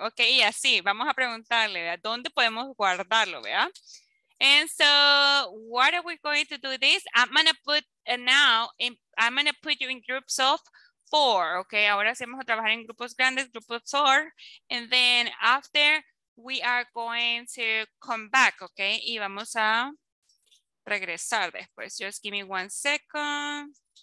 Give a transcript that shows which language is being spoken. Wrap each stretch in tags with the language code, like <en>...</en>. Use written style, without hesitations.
<es>Okay, yeah, sí, vamos a preguntarle, ¿a dónde podemos guardarlo, vea?</es> <en>And so, what are we going to do with this? I'm going to put you in groups of four, okay?</en> <es>Ahora sí vamos a trabajar en grupos grandes, grupos of four.</es> <en>And then after, we are going to come back, okay?</en> <es>Y vamos a regresar después.</es> <en>Just give me 1 second.</en>